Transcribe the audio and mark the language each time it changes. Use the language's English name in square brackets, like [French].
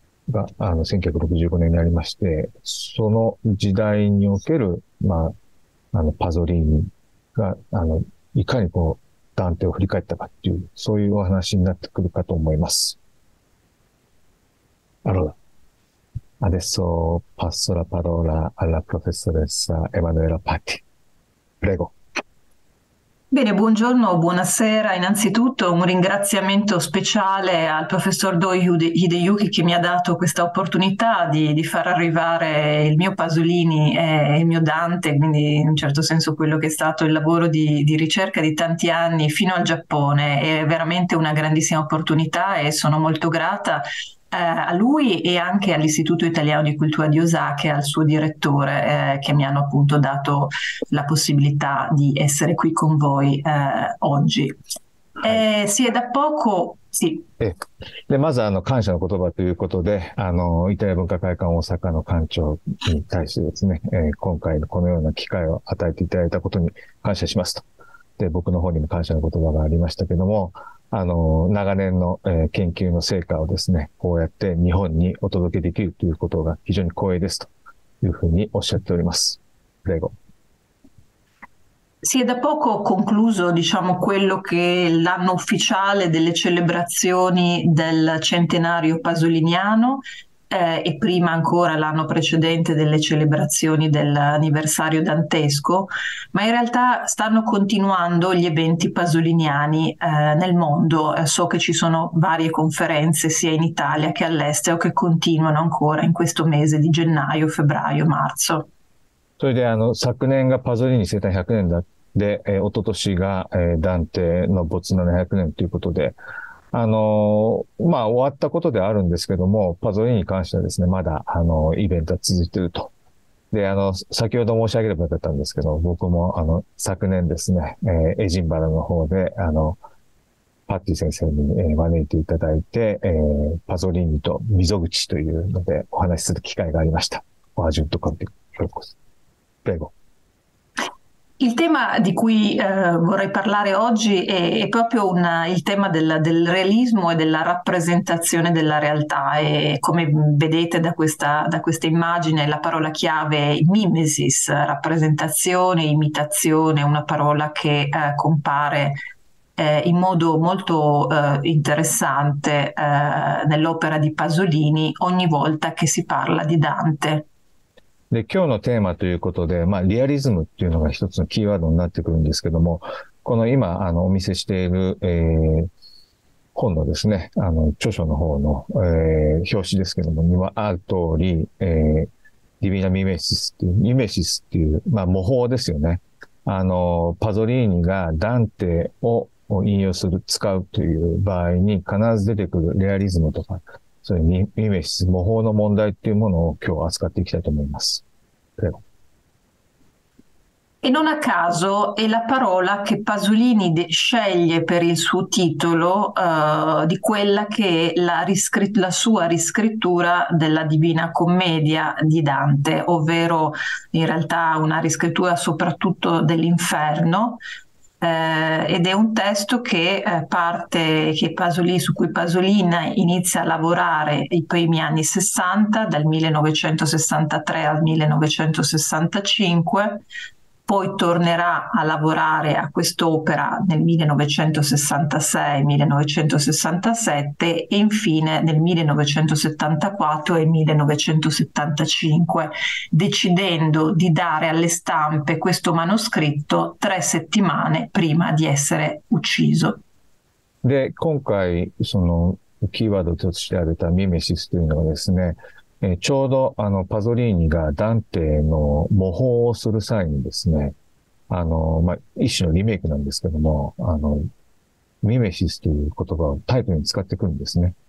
[Japanese] が、1965年になりまして、その時代における、まあ、パゾリーニが、いかにこう、ダンテを振り返ったかっていう、そういうお話になってくるかと思います。 [Italian] あら、アデッソ、パッソラパローラ、アラプロフェッソレッサ、エマヌエラ・パティ。プレゴ。 Bene, buongiorno, buonasera. Innanzitutto un ringraziamento speciale al professor Do Hideyuki che mi ha dato questa opportunità di far arrivare il mio Pasolini e il mio Dante, quindi in un certo senso quello che è stato il lavoro di ricerca di tanti anni fino al Giappone. È veramente una grandissima opportunità e sono molto grata a lui e anche all'Istituto Italiano di Cultura di Osaka e al suo direttore, che mi hanno appunto dato la possibilità di essere qui con voi, oggi. [Japanese] はい。 [Italian] Sì, è da poco. Sì. [Japanese] で、まず感謝の言葉ということで、イタリア文化会館大阪の館長に対してですね、今回のこのような機会を与えていただいたことに感謝しますと。で、僕の方にも感謝の言葉がありましたけども、長年の、研究の成果をですね、こうやって日本にお届けできるということが非常に光栄ですというふうにおっしゃっております。 [Italian] プレゴ。 Sì, è da poco concluso, diciamo, quello che è l'anno ufficiale delle celebrazioni del centenario pasoliniano, e prima ancora l'anno precedente delle celebrazioni dell'anniversario dantesco, ma in realtà stanno continuando gli eventi pasoliniani, nel mondo. So che ci sono varie conferenze sia in Italia che all'estero che continuano ancora in questo mese di gennaio, febbraio, marzo. [Japanese] それで昨年がパゾリーニ生誕100年だ。で、おととしが、ダンテの没700年ということで、終わったことであるんですけども、パゾリーニに関してはですね、まだ、イベントは続いていると。で、先ほど申し上げればよかったんですけど、僕も、昨年ですね、エジンバラの方で、パッティ先生に、招いていただいて、パゾリーニと溝口というので、お話しする機会がありました。 [Italian] アジュントコンティ。プレゴ。 Il tema di cui vorrei parlare oggi è proprio il tema del realismo e della rappresentazione della realtà. E come vedete da questa immagine, la parola chiave è mimesis, rappresentazione, imitazione, una parola che compare in modo molto interessante nell'opera di Pasolini ogni volta che si parla di Dante. [Japanese] で、今日のテーマということで、まあ、リアリズムっていうのが一つのキーワードになってくるんですけども、この今、お見せしている、本のですね、著書の方の、表紙ですけども、にはある通り、ディビナ・ミメシスっていう、ミメシスっていう、まあ、模倣ですよね。パゾリーニがダンテを引用する、使うという場合に必ず出てくるレアリズムとか、それに、ミメシス、模倣の問題っていうものを今日扱っていきたいと思います。では。 [Italian] E non a caso è la parola che Pasolini sceglie per il suo titolo, di quella che è la sua riscrittura della Divina Commedia di Dante, ovvero in realtà una riscrittura soprattutto dell'Inferno, ed è un testo su cui Pasolini inizia a lavorare i primi anni 60, dal 1963 al 1965. Poi tornerà a lavorare a quest'opera nel 1966-1967 e infine nel 1974 e 1975, decidendo di dare alle stampe questo manoscritto 3 settimane prima di essere ucciso. [Japanese] で、今回、その、キーワードとして挙げたミメシスというのはですね、ちょうど、パゾリーニがダンテの模倣をする際にですね、まあ、一種のリメイクなんですけども、ミメシスという言葉をタイトルに使ってくるんですね。